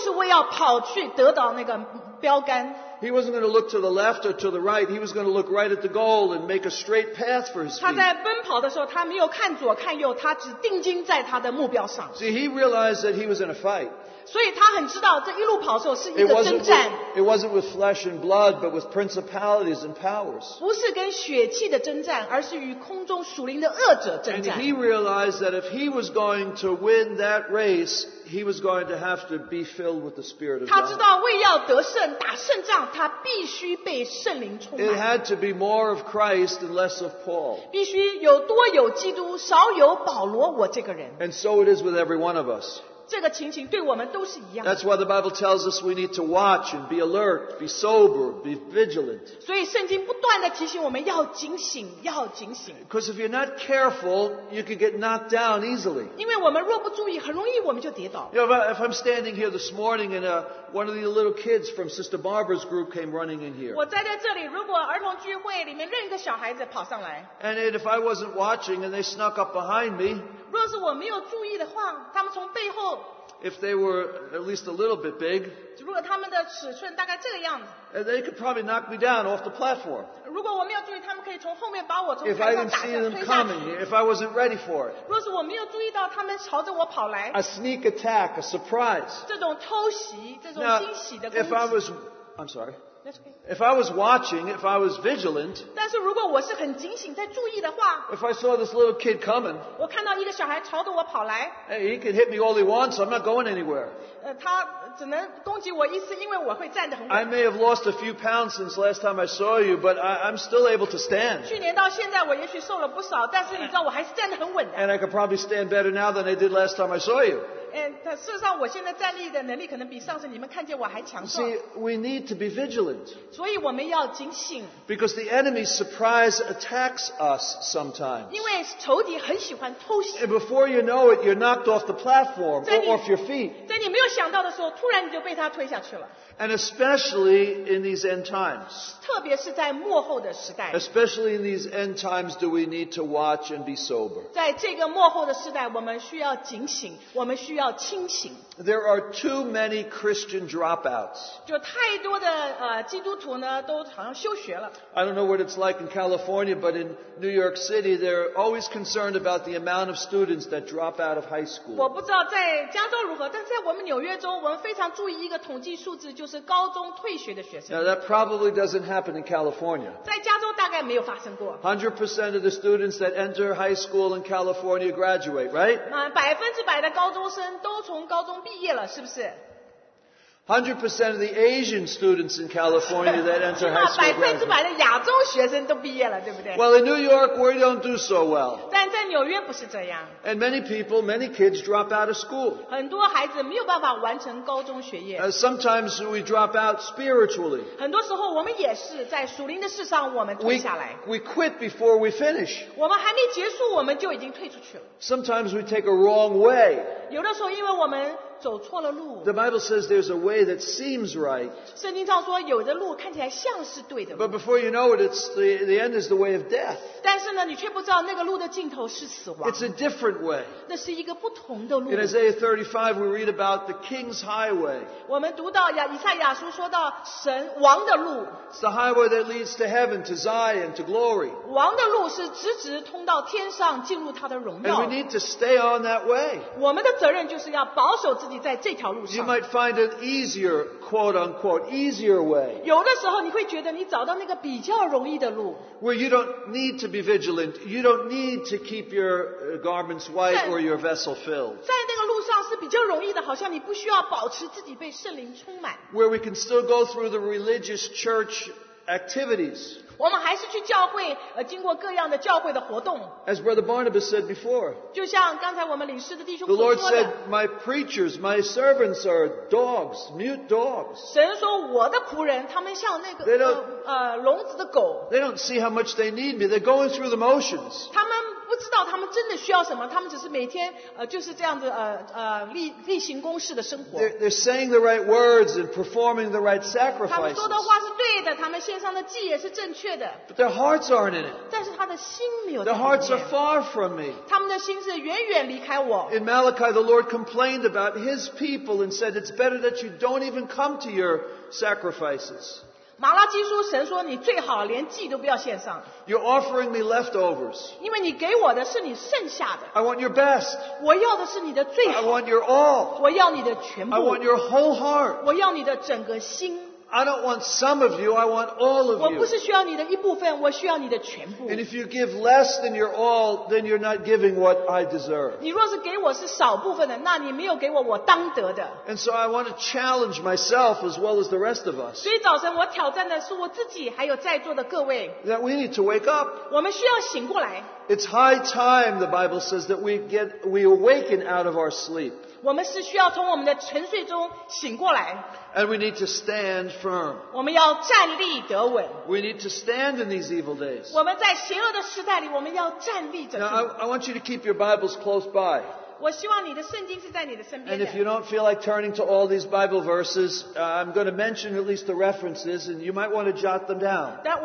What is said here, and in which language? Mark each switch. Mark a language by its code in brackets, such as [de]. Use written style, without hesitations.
[zh] 他愿意卸下一切所有残累的，就是为要跑去得到那个标杆。 [en] He wasn't going to look to the left or to the right. He was going to look right at the goal and make a straight path for his feet. [zh] 他在奔跑的时候，他没有看左看右，他只定睛在他的目标上。 [en] See, he realized that he was in a fight. [zh] 所以他很知道这一路跑的时候是一个征战。 [en] It wasn't with flesh and blood, but with principalities and powers. [zh] 不是跟血气的征战，而是与空中属灵的恶者征战。 [en] And he realized that if he was going to win that race, he was going to have to be filled with the Spirit of God. [zh] 他知道为要得胜，打胜仗。他必须被圣灵充满。 [en] It had to be more of Christ and less of Paul. [zh] 必须有多有基督，少有保罗我这个人。 [en] And so it is with every one of us. [zh] 这个情形对我们都是一样。 [en] That's why the Bible tells us we need to watch and be alert, be sober, be vigilant. [zh] 所以圣经不断地提醒我们要警醒，要警醒。 [en] Because if you're not careful, you can get knocked down easily. [zh] 因为我们若不注意，很容易我们就跌倒。 [en] You know, if I'm standing here this morning in a one of the little kids from Sister Barbara's group came running in here. [zh] 我站在这里，如果儿童聚会里面任一个小孩子跑上来。 [en] And if I wasn't watching and they snuck up behind me. [zh] 若是我没有注意的话，他们从背后。 [en] If they were at least a little bit big. [zh] 如果他们的尺寸大概这个样子。 [en] And they could probably knock me down off the platform. [zh] 如果我没有注意，他们可以从后面把我从台上打下推下去。 [en] If I didn't see them coming, if I wasn't ready for it. [zh] 若是我没有注意到他们朝着我跑来。 [en] A sneak attack, a surprise. [zh] 这种偷袭，这种惊喜的攻击。 [en] Now, if I was, I'm sorry. If I was watching, if I was vigilant, [zh] 但是如果我是很警醒在注意的话 [en] if I saw this little kid coming, [zh] 我看到一个小孩朝着我跑来 [en] hey, he can hit me all he wants, I'm not going anywhere. [zh] 他只能攻击我一次，因为我会站得很稳。 [en] I may have lost a few pounds since last time I saw you, but I'm still able to stand. [zh] 去年到现在我也许瘦了不少，但是你知道我还是站得很稳的。 [en] And I could probably stand better now than I did last time I saw you. [zh] 事实上我现在站立的能力可能比上次你们看见我还强壮。 [en] See, we need to be vigilant. [zh] 所以我们要警醒。 [en] Because the enemy surprise attacks us sometimes. [zh] 因为仇敌很喜欢偷袭。 [en] And before you know it, you're knocked off the platform or off your feet. [zh] 在你没有想到的时候，突然你就被他推下去了。 [en] And especially in these end times. [zh] 特别是在末后的时代。 [en] Especially in these end times do we need to watch and be sober. [zh] 在这个末后的时代我们需要警醒，我们需要清醒。 [en] There are too many Christian dropouts. [zh] 就太多的基督徒呢都好像休学了。 [en] I don't know what it's like in California, but in New York City, they're always concerned about the amount of students that drop out of high school. [zh] 我不知道在加州如何，但是在我们纽约州，我们非常注意一个统计数字，就是高中退学的学生。 [en] Now that probably doesn't happen in California. [zh] 在加州大概没有发生过。 [en] 100% of the students that enter high school in California graduate, right? [zh] 100% 的高中生都从高中毕业了，是不是？ [en] 100% of the Asian students in California that enter high school. [zh] 100% 的亚洲学生都毕业了，对不对？ [en] Well, in New York, we don't do so well. [zh] 但在纽约不是这样。 [en] And many people, many kids drop out of school. [zh] 很多孩子没有办法完成高中学业。 [en] Sometimes we drop out spiritually. [zh] 很多时候我们也是在属灵的事上我们退下来。 [en] We quit before we finish. [zh] 我们还没结束，我们就已经退出去了。 [en] Sometimes we take a wrong way. [zh] 有的时候因为我们走错了路。 [en] The Bible says there's a way that seems right. [zh] 圣经上说有的路看起来像是对的。 [en] But before you know it, it's the end is the way of death. [zh] 但是呢，你却不知道那个路的尽头是死亡。 [en] It's a different way. [zh] 那是一个不同的路。 [en] In Isaiah 35, we read about the king's highway. [zh] 我们读到以赛亚书说到神王的路。 [en] It's the highway that leads to heaven, to Zion, to glory. [zh] 王的路是直直通到天上，进入他的荣耀。 [en] And we need to stay on that way. [zh] 我们的责任就是要保守。自己在这条路上。 [en] You might find an easier, quote unquote, easier way. [zh] 有的时候你会觉得你找到那个比较容易的路。 [en] Where you don't need to be vigilant, you don't need to keep your garments white or your vessel filled. [zh] 在那个路上是比较容易的，好像你不需要保持自己被圣灵充满。 [en] Where we can still go through the religious church activities. [zh] 我们还是去教会，经过各样的教会的活动。 [en] As Brother Barnabas said before, [zh] 就像刚才我们领事的弟兄所说的。 [en] The Lord said, "My preachers, my servants are dogs, mute dogs." [zh] 神说我的仆人，他们像那个笼子的狗。 [en] They don't see how much they need me. They're going through the motions. [zh] 他们不知道他们真的需要什么，他们只是每天就是这样子例行公事的生活。 [en] They're saying the right words and performing the right sacrifices. [zh] 他们说的话是对的，他们献上的祭也是正确的。 [en] But their hearts aren't in it. [zh] 但是他的心没有。 [en] Their hearts are far from me. [zh] 他们的心是远远离开我。 [en] In Malachi, the Lord complained about His people and said, "It's better that you don't even come to your sacrifices." [zh] 马拉基书神说，你最好连祭都不要献上。 [en] You're offering me leftovers. [zh] 因为你给我的是你剩下的。 [en] I want your best. [zh] 我要的是你的最好。 [en] I want your all. [zh] 我要你的全部。 [en] I want your whole heart. [zh] 我要你的整个心。 [en] I don't want some of you, I want all of you. [zh] 我不是需要你的一部分，我需要你的全部。 [en] And if you give less than your all, then you're not giving what I deserve. [zh] 你若是给我是少部分的，那你没有给我我当得的。 [en] And so I want to challenge myself as well as the rest of us. [zh] 所以早晨我挑战的是我自己还有在座的各位。 [en] That we need to wake up. [zh] 我们需要醒过来。 [en] It's high time, the Bible says, that we awaken out of our sleep. [zh] 我们是需要从我们的沉睡中醒过来。 [en] And we need to stand firm. [zh] 我们要站立得稳。 [en] We need to stand in these evil days. [zh] 我们在邪恶的时代里，我们要站立着。 [en] Now, I want you to keep your Bibles close by. [zh] 我希望你的圣经是在你的身边的。 [en] And if you don't feel like turning to all these Bible verses, I'm going to mention at least the references, and you might want to jot them down.